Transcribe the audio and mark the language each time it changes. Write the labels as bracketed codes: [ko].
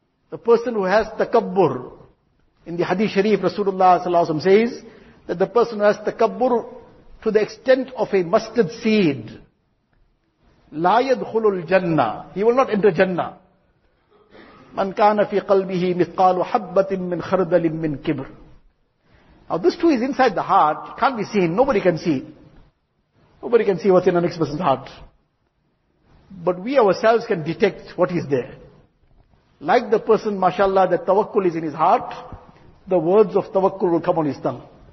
[en] The person who has takabbur, in the Hadith Sharif, Rasulullah sallallahu alaihi wasallam says that the person who has takabbur to the extent of a mustard seed, [ar] لا يدخل الجنة, [en] he will not enter Jannah. [ar] من كان في قلبه مثقال حبة من خردل من كبر. [en] Now this too is inside the heart, can't be seen, nobody can see. Nobody can see what's in the next person's heart. But we ourselves can detect what is there. Like the person, mashallah, that tawakkul is in his heart, the words of tawakkul will come on his tongue.